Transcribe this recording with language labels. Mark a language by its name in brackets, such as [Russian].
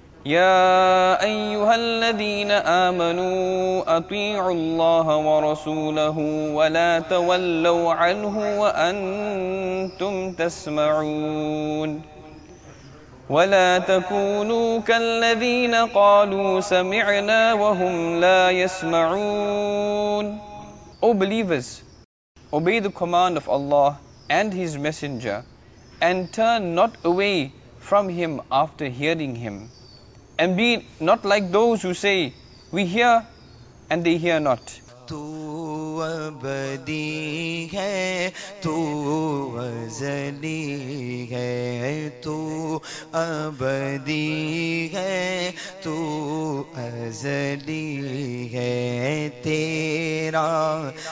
[Arabic] يا أيها الذين آمنوا أطيعوا الله ورسوله ولا تولوا عنه وأنتم تسمعون. ولا تكونوا كالذين قالوا سمعنا وهم لا يسمعون. [English] O believers, obey the command of Allah and His Messenger and turn not away from Him after hearing Him. And be not like those who say, we hear and they hear not. [Urdu] Tu abadi hai, tu azali hai, tu abadi hai, tu azali hai, tera